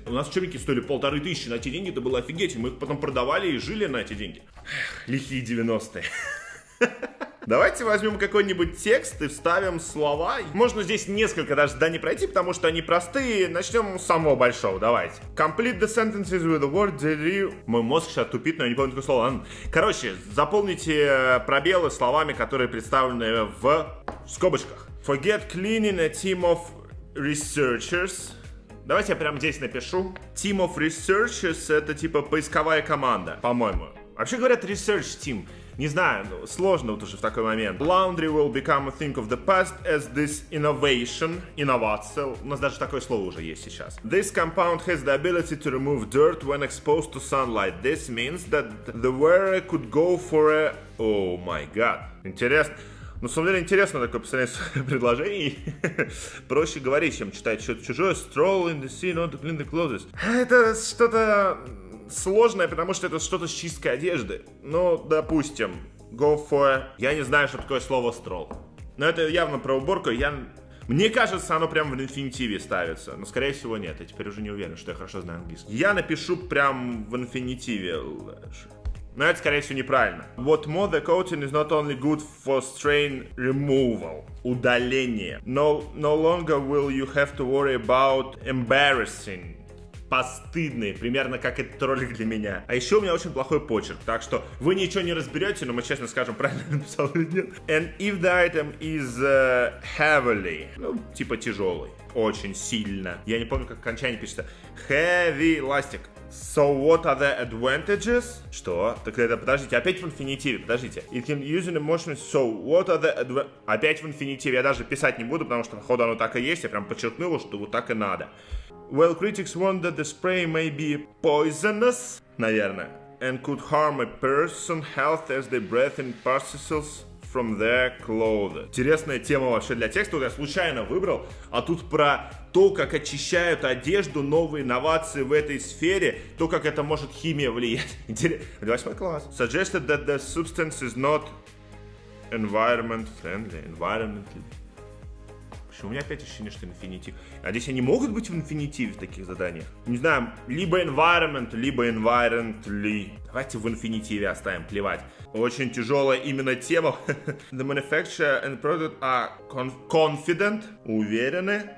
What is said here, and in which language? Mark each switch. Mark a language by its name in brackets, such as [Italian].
[Russian] У нас учебники стоили 1500 на эти деньги. Это было офигеть. Мы их потом продавали и жили на эти деньги. Эх, лихие 90-е. Давайте возьмем какой-нибудь текст и вставим слова. Можно здесь несколько даже да не пройти, потому что они простые. Начнем с самого большого, давайте. [English] Complete the sentences with the word did you... [Russian] Мой мозг сейчас тупит, но я не помню такое слово. Короче, заполните пробелы словами, которые представлены в скобочках. [English] Forget cleaning a team of researchers. [Russian] Давайте я прямо здесь напишу. [English] Team of researchers [Russian] — это типа поисковая команда, по-моему. Вообще говорят research team. Не знаю, ну, сложно вот уже в такой момент. [English] Laundry will become a thing of the past as this innovation. [Russian] Инновация. У нас даже такое слово уже есть сейчас. [English] This compound has the ability to remove dirt when exposed to sunlight. This means that the wearer could go for a... Oh my god. [Russian] Интересно. Ну, на самом деле, интересно такое постоянное предложение. Проще говорить, чем читать что-то чужое. [English] Stroll in the sea, not to clean the clothes. [Russian] Это что-то... сложное, потому что это что-то с чисткой одежды. Ну, допустим, go for... Я не знаю, что такое слово stroll. Но это явно про уборку. Мне кажется, оно прямо в инфинитиве ставится. Но, скорее всего, нет. Я теперь уже не уверен, что я хорошо знаю английский. Я напишу прям в инфинитиве. Но это, скорее всего, неправильно. [English] What more, the coating is not only good for strain removal. [Russian] Удаление. [English] No longer will you have to worry about embarrassing. [Russian] Постыдный, примерно как этот ролик для меня. А еще у меня очень плохой почерк, так что вы ничего не разберете, но мы честно скажем, правильно написал или нет. [English] And if the item is heavily, [Russian] ну, типа тяжелый, очень сильно. Я не помню, как окончание пишется. [English] Heavy ластик. So what are the advantages? [Russian] Что? Так это, подождите, опять в инфинитиве, подождите. [English] It can use an emotion, so what are the advantages? [Russian] Опять в инфинитиве, я даже писать не буду, потому что, походу, оно так и есть. Я прям подчеркнул, что вот так и надо. [English] Well, critics warn that the spray may be poisonous, наверное, and could harm a person's health as they breath in particles from their clothes. [Russian] Интересная тема вообще для текста, вот я случайно выбрал, а тут про то, как очищают одежду, новые инновации в этой сфере, то, как это может химия влиять. Интересно. 8 класс. [English] Suggested that the substance is not environment friendly, environmentally. [Russian] У меня опять ощущение, что инфинитив. А здесь они могут быть в инфинитиве в таких заданиях? Не знаю, либо environment, либо environmentally. Давайте в инфинитиве оставим, плевать. Очень тяжелая именно тема. [English] The manufacturer and product are confident. [Russian] Уверены.